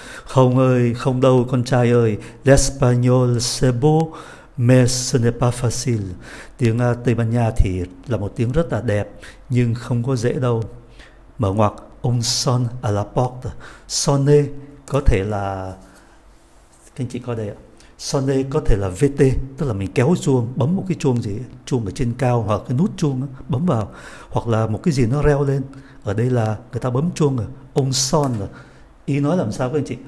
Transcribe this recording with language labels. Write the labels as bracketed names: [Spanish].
[Vietnamese] Không ơi, không đâu, con trai ơi. [French] L'espagnol c'est beau, mais ce n'est pas facile. [Vietnamese] Tiếng Tây Ban Nha thì là một tiếng rất là đẹp, nhưng không có dễ đâu. Mở ngoặc, [French] un son à la porte. [Vietnamese] Sonner có thể là, anh chị coi đây ạ. Sonne có thể là VT, tức là mình kéo chuông, bấm một cái chuông gì, chuông ở trên cao hoặc cái nút chuông đó, bấm vào, hoặc là một cái gì nó reo lên. Ở đây là người ta bấm chuông rồi, ông son là ý nói làm sao các anh chị?